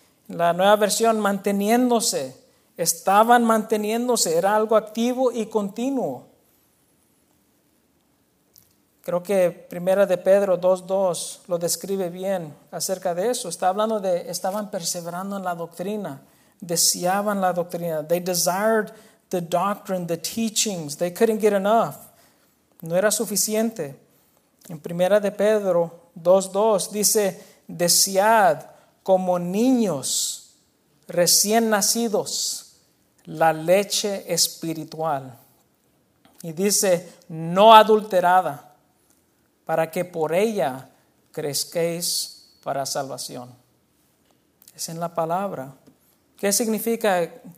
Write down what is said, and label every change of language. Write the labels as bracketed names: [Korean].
[Spanish] La nueva versión, manteniéndose, estaban manteniéndose, era algo activo y continuo. Creo que Primera de Pedro 2:2 lo describe bien acerca de eso. Está hablando de estaban perseverando en la doctrina, deseaban la doctrina. [English] They desired the doctrine, the teachings. They couldn't get enough. [Spanish] No era suficiente. En Primera de Pedro 2:2 dice, desead como niños recién nacidos la leche espiritual. Y dice, no adulterada, para que por ella crezcáis para salvación. Es en la palabra. ¿Qué significa?